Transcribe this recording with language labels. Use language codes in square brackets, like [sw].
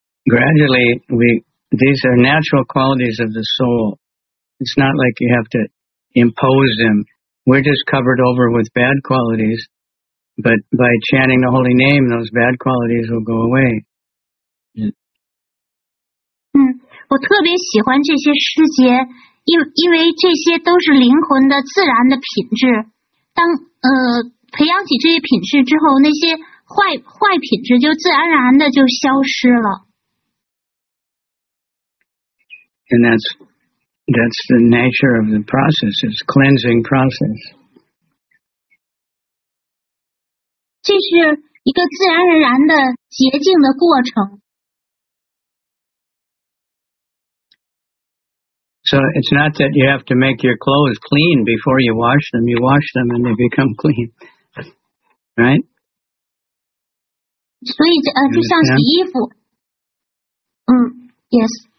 [en] Gradually, these are natural qualities of the soul. It's not like you have to impose them. We're just covered over with bad qualities, but by chanting the holy name, those bad qualities will go away. [zh] 我特别喜欢这些诗节，因为这些都是灵魂的自然的品质。当培养起这些品质之后，那些坏品质就自然而然的就消失了。 [en] And that's the nature of the process. It's cleansing process. [zh] 这是一个自然而然的洁净的过程。 So it's not that you have to make your clothes clean before you wash them. You wash them and they become clean, right? 所以就像洗衣服。 [en] Yes.